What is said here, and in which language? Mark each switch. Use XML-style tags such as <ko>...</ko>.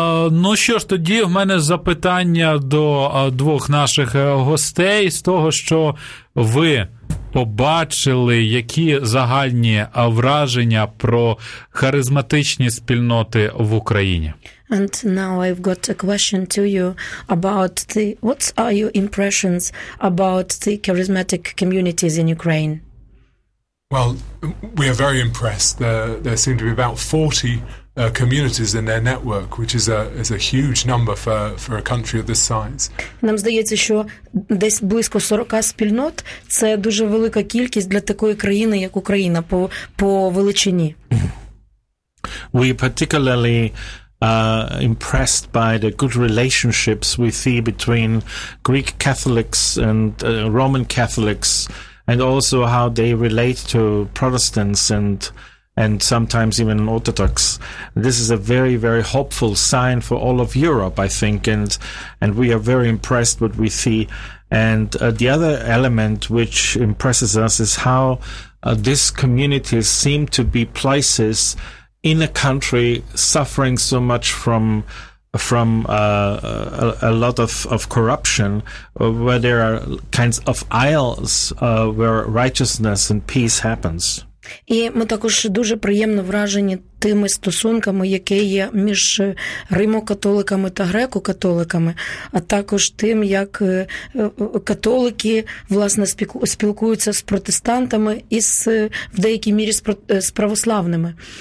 <uk>Ну що ж, тоді в мене запитання до двох наших гостей з того, що ви побачили, які загальні враження про харизматичні спільноти в Україні.</uk> <en>And now I've got a question to you about the what are your impressions about the charismatic communities in Ukraine? Well, we are very impressed. There seem to be about 40 communities in their network, which is a huge number for a country of this size.</en> <uk>Нам здається, що десь близько 40 спільнот – це дуже велика кількість для такої країни, як Україна, по величині.</uk> <en>We are particularly impressed by the good relationships we see between Greek Catholics and Roman Catholics, and also how they relate to Protestants and sometimes even Orthodox. This is a very, very hopeful sign for all of Europe, I think, and we are very impressed what we see. And the other element which impresses us is how these communities seem to be places in a country suffering so much from a lot of corruption, where there are kinds of aisles where righteousness and peace happens.</en> <uk>І ми також дуже приємно вражені тими стосунками, які є між римо-католиками та греко-католиками, а також тим, як католики, власне, спілкуються з протестантами і в деякій мірі з православними.</uk>